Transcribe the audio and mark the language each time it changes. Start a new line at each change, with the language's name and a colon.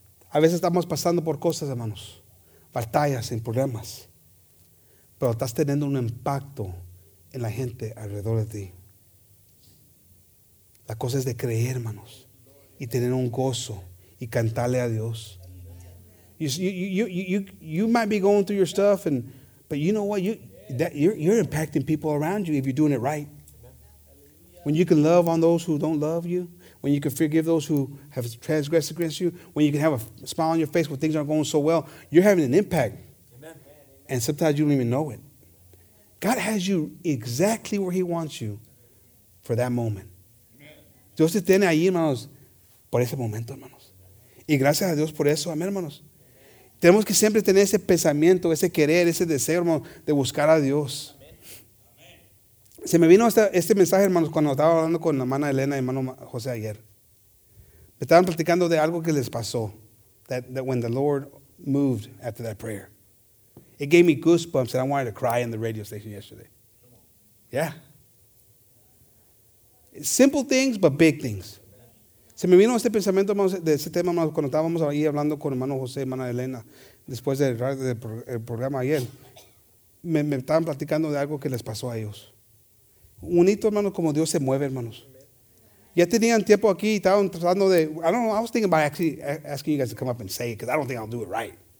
Spanish: A veces estamos pasando por cosas, hermanos, batallas y problemas. Pero estás teniendo un impacto en la gente alrededor de ti. La cosa es de creer, hermanos, y tener un gozo y cantarle a Dios.
English: You might be going through your stuff, but you know what? You're impacting people around you if you're doing it right. When you can love on those who don't love you, when you can forgive those who have transgressed against you, when you can have a smile on your face when things aren't going so well, you're having an impact. Amen. And sometimes you don't even know it. God has you exactly where he wants you for that moment. Amen.
Spanish: Dios te tiene ahí, hermanos, por ese momento, hermanos. Y gracias a Dios por eso, amén, hermanos. Amen. Tenemos que siempre tener ese pensamiento, ese querer, ese deseo, hermanos, de buscar a Dios. Se me vino este mensaje, hermanos, cuando estaba hablando con la hermana Elena y hermano José ayer. Me estaban platicando de algo que les pasó.
English: That when the Lord moved after that prayer. It gave me goosebumps and I wanted to cry in the radio station yesterday. Yeah. Simple things, but big things.
Spanish: Se me vino este pensamiento, hermanos, de ese tema, hermanos, cuando estábamos ahí hablando con hermano José y hermana Elena después del programa ayer. Me estaban platicando de algo que les pasó a ellos. Unito, hermanos, como Dios se mueve, hermanos. Ya tenían tiempo aquí y estaban tratando de...
English: I was thinking about actually asking you guys to come up and say it because I don't think I'll do it right.